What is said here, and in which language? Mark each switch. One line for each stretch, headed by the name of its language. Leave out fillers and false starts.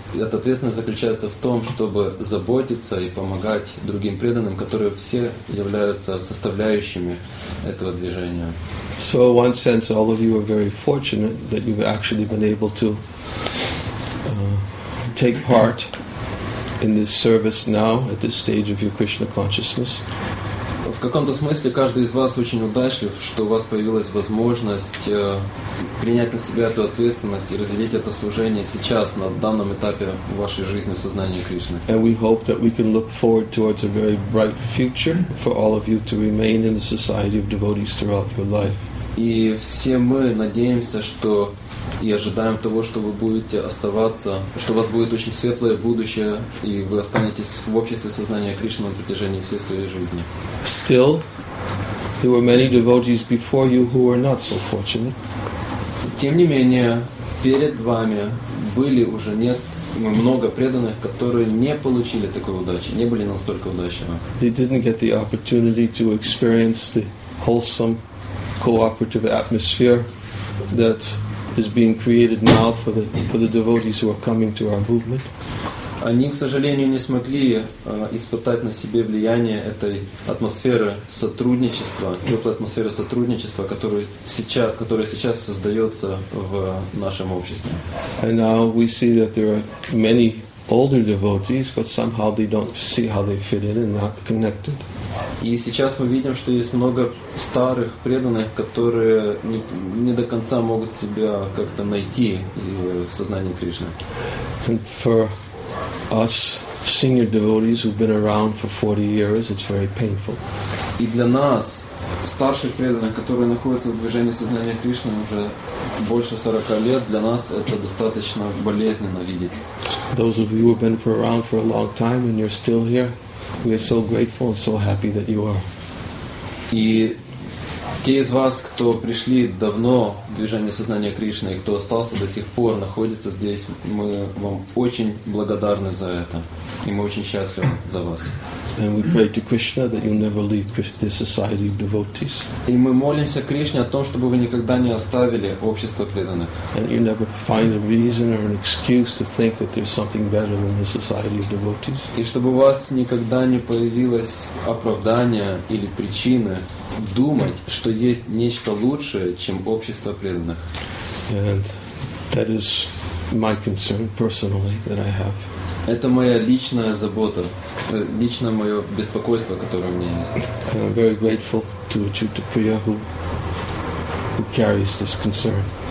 Russian: Эта ответственность заключается в том, чтобы заботиться и помогать другим преданным, которые все являются составляющими этого движения.
English: So in one sense, all of you are very fortunate that you've actually been able to take part in this service now at this stage of your Krishna consciousness.
Russian: В каком-то смысле каждый из вас очень удачлив, что у вас появилась возможность принять на себя эту ответственность и разделить это служение сейчас на данном этапе вашей жизни в сознании Кришны.
English: And we hope that we can look forward towards a very bright future for all of you to remain in the society of devotees throughout your life.
Russian: И все мы надеемся, что и ожидаем того, что вы будете оставаться, что у вас будет очень светлое будущее, и вы останетесь в обществе сознания Кришны на протяжении всей своей жизни.
English: Still, there were many devotees before you who were not so fortunate.
Russian: Тем не менее, перед вами были уже много преданных, которые не получили такой удачи, не были настолько удачливы.
English: They didn't get the opportunity to experience the wholesome cooperative atmosphere that is being created now for the devotees who are coming to our movement.
Russian: Они, к сожалению, не смогли испытать на себе влияние этой атмосферы сотрудничества, теплой атмосферы сотрудничества, которая сейчас создается в нашем обществе.
English: And now we see that there are many older devotees, but somehow they don't see how they fit in and not connected.
Russian: И сейчас мы видим, что есть много старых преданных, которые не до конца могут себя как-то найти в сознании Кришны.
English: And for us senior devotees who've been around for 40 years, it's very painful.
Russian: И для нас, старших преданных, которые находятся в движении сознания Кришны уже больше 40 лет, для нас это достаточно болезненно видеть.
English: Those of you who've been around for a long time and you're still here, we are so grateful and so happy that you are.
Russian: И те из вас, кто пришли давно в движение сознания Кришны, и кто остался до сих пор, находится здесь, мы вам очень благодарны за это. И мы очень счастливы за вас.
English: And we pray to Krishna that you never leave this society of devotees.
Russian: И мы молимся Кришне о том, чтобы вы никогда не оставили общество преданных.
English: And you never find a reason or an excuse to think that there's something better than the society of devotees.
Russian: И чтобы у вас никогда не появилось оправдание или причины думать, что есть нечто лучшее, чем общество преданных.
English: And that is my concern personally that I have.
Russian: Это моя личная забота, личное мое беспокойство, которое у меня есть.
English: And I'm very grateful to Achyuta Priya who carries this concern.